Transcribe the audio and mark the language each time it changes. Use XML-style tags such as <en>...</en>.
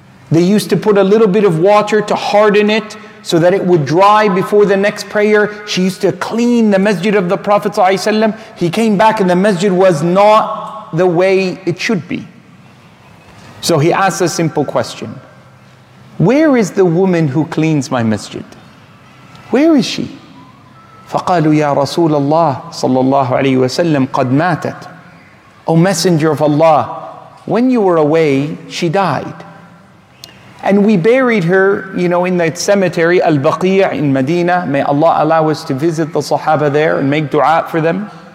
<en>They used to put a little bit of water to harden it so that it would dry before the next prayer. She used to clean the masjid of the Prophet ﷺ. He came back and the masjid was not the way it should be. So he asked a simple question. Where is the woman who cleans my masjid? Where is she?</en> <ar>فقالوا يا رسول الله صلى الله عليه وسلم قد ماتت.</ar> <en>O Messenger of Allah, when you were away, she died. And we buried her, you know, in that cemetery, Al-Baqi' in Medina. May Allah allow us to visit the Sahaba there and make dua for them.</en>